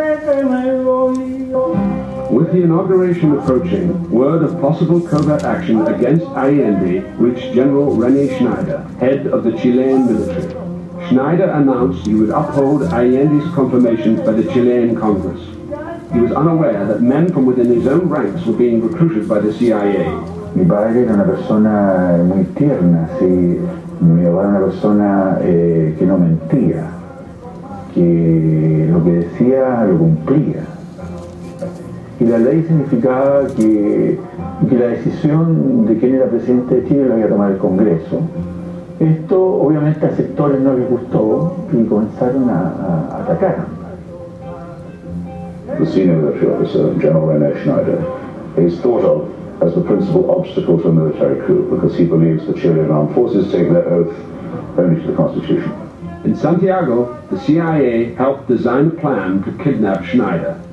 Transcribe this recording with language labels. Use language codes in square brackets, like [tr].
[en] With the inauguration approaching, word of possible covert action against Allende reached General René Schneider, head of the Chilean military. Schneider announced he would uphold Allende's confirmation by the Chilean Congress. He was unaware that men from within his own ranks were being recruited by the CIA. [es] Mi padre era una persona muy tierna, sí. Mi padre era una persona que no mentía, que lo que decía lo cumplía. Y la ley significaba que la decisión de quién era presidente de Chile la iba a tomar el Congreso. Esto obviamente a sectores no les gustó y comenzaron a atacar. [en] The senior military officer, General René Schneider, is thought of as the principal obstacle to a military coup, because he believes the Chilean armed forces take their oath only to the Constitution. In Santiago, the CIA helped design a plan to kidnap Schneider.